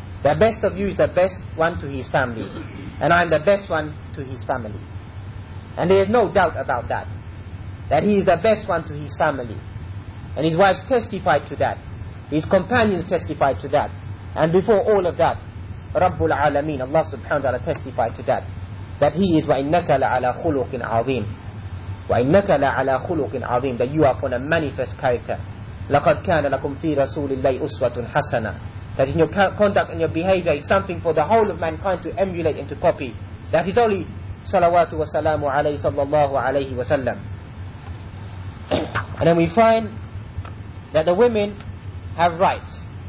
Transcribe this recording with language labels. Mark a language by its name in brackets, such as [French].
[English] The best of you is the best one to his family. And I am the best one to his family. And there is no doubt about that. That he is the best one to his family. And his wives testified to that. His companions testified to that. And before all of that, Rabbul Alameen, Allah subhanahu wa ta'ala testified to that. That he is, [Arabic] وَإِنَّكَ لَعَلَى خُلُقٍ عَظِيمٍ. وَإِنَّكَ لَعَلَى خُلُقٍ عَظِيمٍ. [English] That you are upon a manifest character. [Arabic] لَقَدْ كَانَ لَكُمْ فِي رَسُولِ اللَّهِ أُسْوَةٌ حَسَنًا. [English] That in your conduct and your behavior is something for the whole of mankind to emulate and to copy. That is only salawatu wa salamu alayhi sallallahu alayhi wa sallam. And then we find that the women have rights.